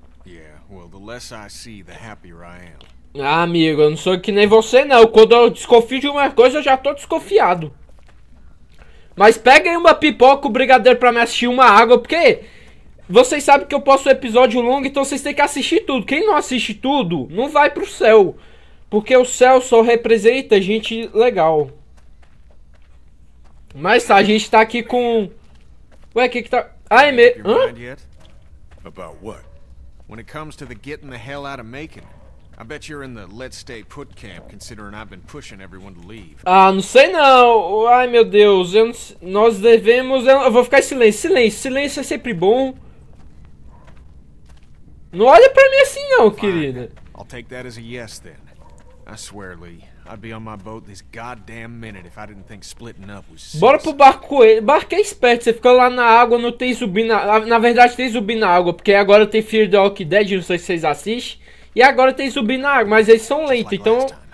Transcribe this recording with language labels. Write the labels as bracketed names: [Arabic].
[English] Yeah, well, the less I see, the happier I am. [Portuguese] Ah, amigo, eu não sou que nem você, não. Quando eu desconfio de uma coisa, eu já tô desconfiado. Mas pega aí uma pipoca, um brigadeiro pra me assistir, uma água, porque... Vocês sabem que eu posto um episódio longo, então vocês têm que assistir tudo. Quem não assiste tudo, não vai pro céu. Porque o céu só representa gente legal. Mas tá, a gente tá aqui com... Ué, o que que tá... Ah, é meio... Hã? Sobre o quê? Quando se trata de sair da [English] I bet you're in the let's stay put camp, considering I've been pushing everyone to leave. [Portuguese] Ah, não sei não. Ai, meu Deus. Eu não... Nós devemos... Eu vou ficar em silêncio. Silêncio. Silêncio é sempre bom. Não olha pra mim assim não, querida. [English] I'll take that as a yes, then. I swear, Lee, I'd be on my boat this goddamn minute if I didn't think splitting up was... [Portuguese] Bora pro barco. Barco é esperto. Você fica lá na água, não tem zumbi na... Na verdade, tem zumbi na água, porque agora tem Fear the Walking Dead, não sei se vocês assistem. E agora tem zumbi na água, mas eles são lentos, então...